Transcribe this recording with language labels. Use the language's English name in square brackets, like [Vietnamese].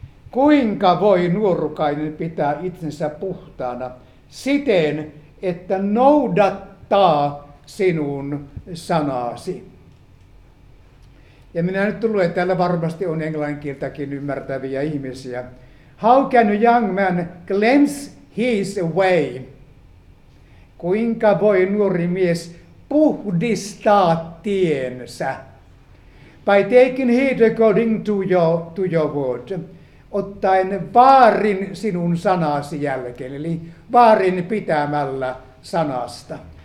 [Finnish] Kuinka voi nuorukainen pitää itsensä puhtaana siten, että noudattaa sinun sanaasi? Ja minä nyt tulen, että täällä varmasti on englanninkieltäkin ymmärtäviä ihmisiä. [English] How can a young man cleanse his way? [Finnish] Kuinka voi nuori mies puhdistaa tiensä? [English] By taking heed according to your word. [Finnish] Ottaen vaarin sinun sanasi jälkeen, eli vaarin pitämällä sanasta.